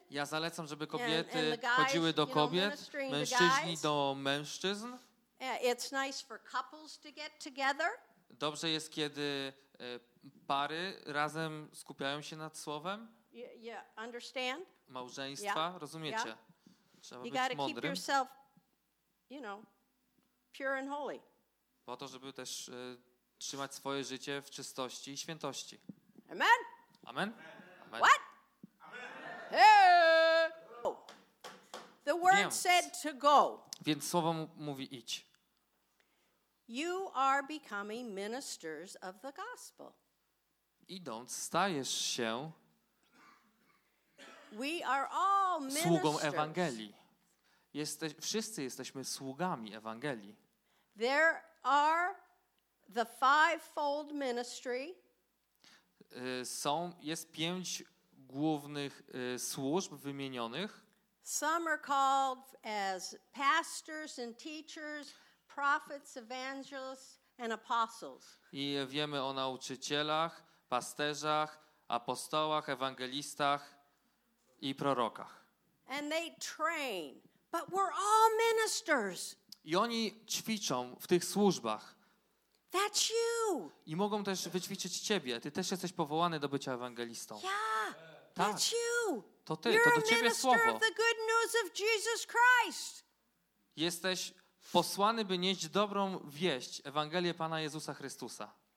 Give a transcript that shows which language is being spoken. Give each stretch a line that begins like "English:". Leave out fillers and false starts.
Polish: Ja zalecam, żeby kobiety chodziły do kobiet, mężczyźni do mężczyzn.
English: It's nice for couples to get together.
Polish: Dobrze jest, kiedy pary razem skupiają się nad słowem?
English: Yeah, understand?
Polish: Małżeństwa, yeah, rozumiecie? Yeah. Trzeba
English: you
Polish: być mądrym.
English: You gotta keep yourself, you know, pure and holy.
Polish: Po to, żeby też trzymać swoje życie w czystości i świętości.
English: Amen? Amen? Amen. What? Amen. Hey! The word
Polish: Więc.
English: Said to go.
Polish: Więc słowo mówi idź.
English: You are becoming ministers of the gospel.
Polish: Idąc, stajesz się
English: We are all ministers.
Polish: Sługą Ewangelii. Wszyscy jesteśmy sługami Ewangelii.
English: There are the fivefold ministry.
Polish: Jest pięć głównych służb wymienionych.
English: Some are called as pastors and teachers, prophets, evangelists, and apostles.
Polish: I wiemy o nauczycielach, pasterzach, apostołach, ewangelistach i prorokach.
English: And they train, but we're all ministers.
Polish: I oni ćwiczą w tych służbach.
English: That's you.
Polish: I mogą też wyćwiczyć ciebie. Ty też jesteś powołany do bycia ewangelistą.
English: Yeah, that's
Polish: tak.
English: You.
Polish: To ty, to do ciebie słowo.
English: You're a minister of the good news of Jesus Christ.
Polish: Jesteś posłany, by nieść dobrą wieść, Ewangelię Pana Jezusa Chrystusa.